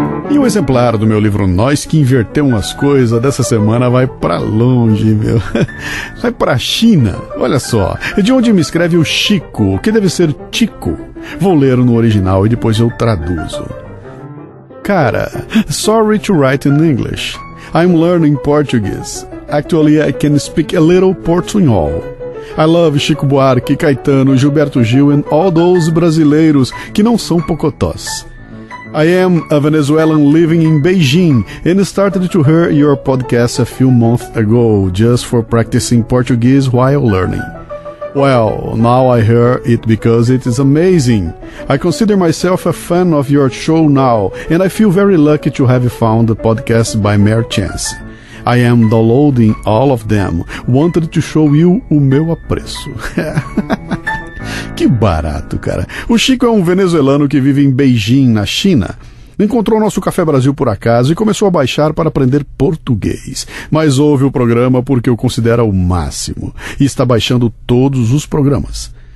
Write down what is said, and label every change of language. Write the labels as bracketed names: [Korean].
[Portuguese] E um exemplar do meu livro Nós Que Invertemos as Coisas dessa semana vai pra longe, meu. Vai pra China. Olha só, de onde me escreve o Chico, que deve ser Chico. Vou ler no original e depois eu traduzo. [English] Cara, sorry to write in English. I'm learning Portuguese. Actually, I can speak a little Portuñol. I love Chico Buarque, Caetano, Gilberto Gil and all those [Portuguese] brasileiros que não são pocotós. [English] I am a Venezuelan living in Beijing and started to hear your podcast a few months ago just for practicing Portuguese while learning. Well, now I hear it because it is amazing. I consider myself a fan of your show now and I feel very lucky to have found the podcast by mere chance. I am downloading all of them. Wanted to show you [Portuguese] o meu apreço. Que barato, cara. O Chico é um venezuelano que vive em Beijing, na China. Encontrou nosso Café Brasil por acaso e começou a baixar para aprender português. Mas ouve o programa porque o considera o máximo. E está baixando todos os programas.